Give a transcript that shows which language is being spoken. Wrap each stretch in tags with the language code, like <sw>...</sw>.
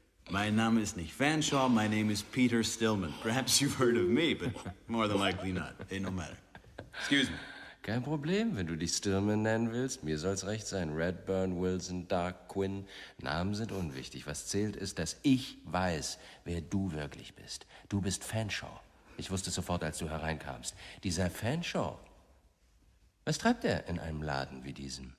<de>Mein Name ist nicht Fanshawe,</de> <en>my name is Peter Stillman. Perhaps you've heard of me, but more than likely not. Hey, no matter. Excuse me.</en> <de>Kein Problem, wenn du dich Stillman nennen willst. Mir soll's recht sein. Redburn, Wilson, Dark, Quinn. Namen sind unwichtig. Was zählt ist, dass ich weiß, wer du wirklich bist. Du bist Fanshawe. Ich wusste sofort, als du hereinkamst. Dieser Fanshawe, was treibt er in einem Laden wie diesem?</de>